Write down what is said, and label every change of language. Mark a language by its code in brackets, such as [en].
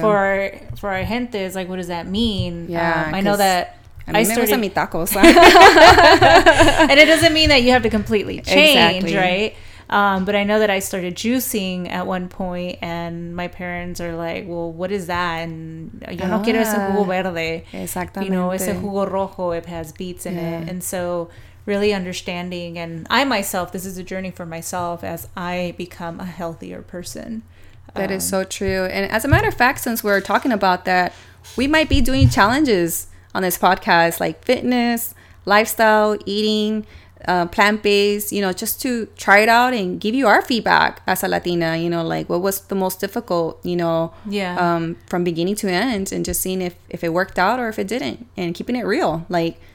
[en] For our gente, it's like, what does that mean? Yeah, I know that. I mean, I started some tacos. And it doesn't mean that you have to completely change, exactly. Right? But I know that I started juicing at one point, and my parents are like, well, what is that? And [es] yo no quiero ese jugo verde. Exactamente. [en] You know, [es] ese jugo rojo, [en] it has beets in it. And so really understanding, and I myself, this is a journey for myself as I become a healthier person. That is so true. And as a matter of fact, since we're talking about that, we might be doing challenges on this podcast, like fitness, lifestyle, eating, plant-based, you know, just to try it out and give you our feedback as a Latina, you know, like what was the most difficult, you know, from beginning to end, and just seeing if it worked out or if it didn't, and keeping it real, like,